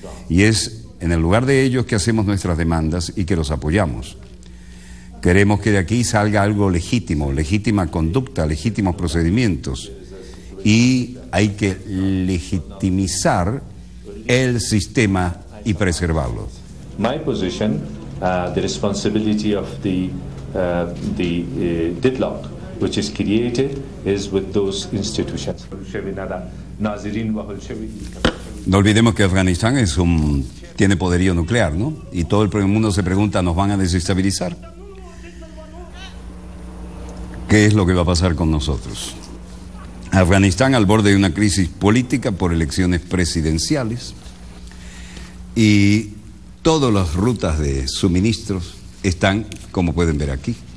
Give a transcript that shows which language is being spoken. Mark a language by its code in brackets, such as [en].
[es] Y es en el lugar de ellos que hacemos nuestras demandas y que los apoyamos. Queremos que de aquí salga algo legítimo, legítima conducta, legítimos procedimientos. Y hay que legitimizar el sistema y preservarlo. [en] My position, the responsibility of the deadlock which is created is with those institutions. [es] No olvidemos que Afganistán tiene poderío nuclear, ¿no? Y todo el mundo se pregunta, ¿nos van a desestabilizar? ¿Qué es lo que va a pasar con nosotros? Afganistán al borde de una crisis política por elecciones presidenciales y todas las rutas de suministros están, como pueden ver aquí.